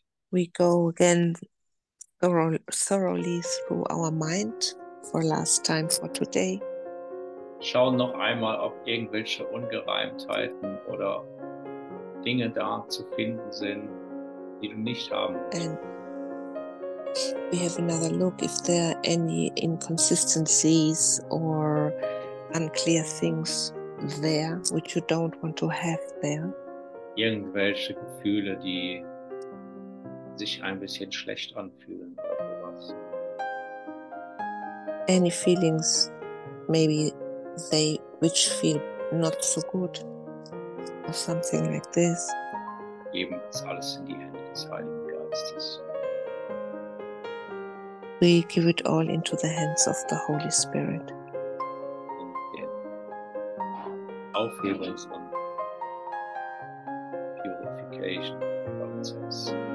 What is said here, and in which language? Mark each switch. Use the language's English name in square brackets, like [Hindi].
[English] We go again thoroughly through our mind for last time for today. [German] Schauen noch einmal, ob irgendwelche Ungereimtheiten oder Dinge da zu finden sind, die du nicht haben musst. [English] And we have another look if there are any inconsistencies or unclear things there which you don't want to have there. [German] Irgendwelche Gefühle, die sich ein bisschen schlecht anfühlen oder was. [English] Any feelings, maybe they which feel not so good, or something like this. [German] Geben das alles in die Hände des Heiligen Geistes. [English] We give it all into the hands of the Holy Spirit. [German] Und der Aufhebungs- und Purification-Prozess.